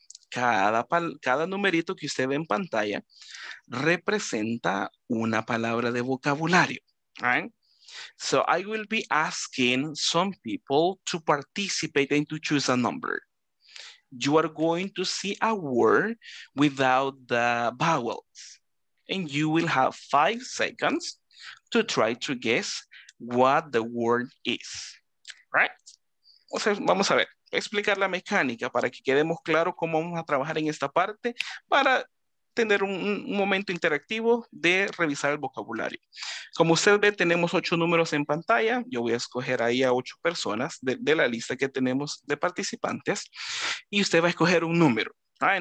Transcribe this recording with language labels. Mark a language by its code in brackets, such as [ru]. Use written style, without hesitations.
[es] Cada numerito que usted ve en pantalla representa una palabra de vocabulario. [en] So I will be asking some people to participate and to choose a number. You are going to see a word without the vowels, and you will have 5 seconds to try to guess what the word is. [es] Right? O sea, vamos a ver. Explicar la mecánica para que quedemos claro cómo vamos a trabajar en esta parte para tener un momento interactivo de revisar el vocabulario. Como usted ve, tenemos 8 números en pantalla. Yo voy a escoger ahí a 8 personas de la lista que tenemos de participantes y usted va a escoger un número. Right?